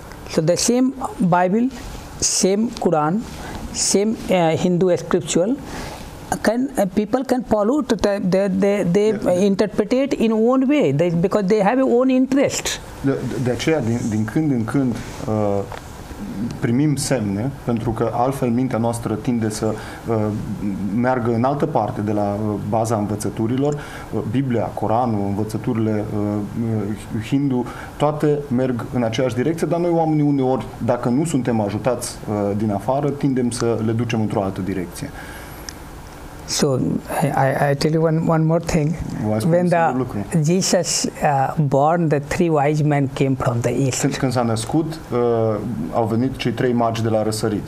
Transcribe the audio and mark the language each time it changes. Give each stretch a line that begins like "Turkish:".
English: So the same Bible, same Quran, same Hindu scriptural, people can pollute. They interpret it in own way because they have own interest.
Romanian: De aceea, din când în când primim semne, pentru că altfel mintea noastră tinde să meargă în altă parte de la baza învățăturilor. Biblia, Coranul, învățăturile Hindu, toate merg în aceeași direcție, dar noi oamenii uneori, dacă nu suntem ajutați din afară, tindem să le ducem într-o altă direcție.
English: So, I tell you one more thing. When the Jesus born, the three wise men came from the east.
Romanian: Când s-a născut, au venit cei trei magi de la răsărit.